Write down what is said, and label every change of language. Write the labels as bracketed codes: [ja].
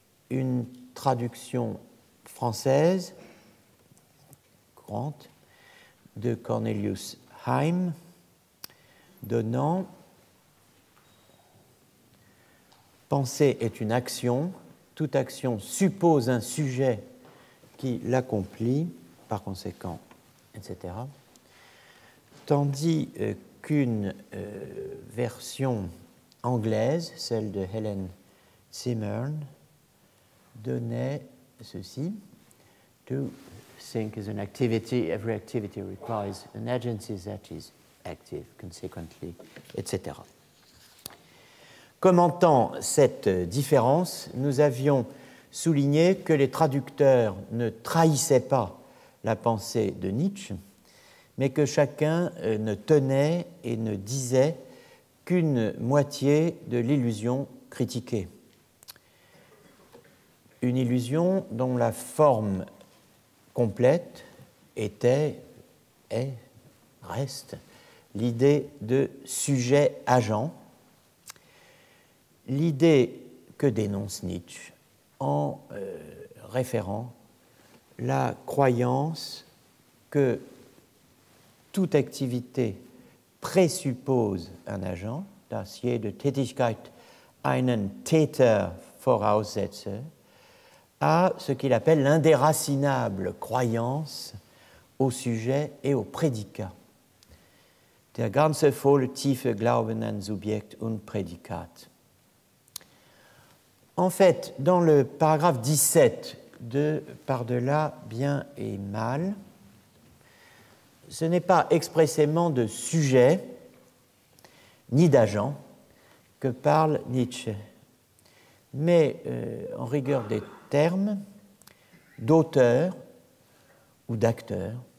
[fr] Une traduction française, courante, de Cornelius Heim, donnant Penser est une action, toute action suppose un sujet qui l'accomplit, par conséquent, etc. Tandis qu'une version anglaise, celle de Helen Zimmern, donnait ceci. [en] To think is an activity, every activity requires an agency that is active, consequently, etc. [fr] Commentant cette différence, nous avions souligné que les traducteurs ne trahissaient pas la pensée de Nietzsche, mais que chacun ne tenait et ne disait qu'une moitié de l'illusion critiquée. Une illusion dont la forme complète était, est, reste, l'idée de sujet-agent. L'idée que dénonce Nietzsche en référant la croyance que toute activité présuppose un agent, [de] dass jede Tätigkeit einen Täter voraussetze, [fr] à ce qu'il appelle l'indéracinable croyance au sujet et au prédicat. [de] Der ganze volle tiefe Glauben an Subjekt und Prädikat. [fr] En fait, dans le paragraphe 17 de « Par-delà, bien et mal », ce n'est pas expressément de sujet ni d'agent que parle Nietzsche, mais en rigueur des termes, d'auteur ou d'acteur.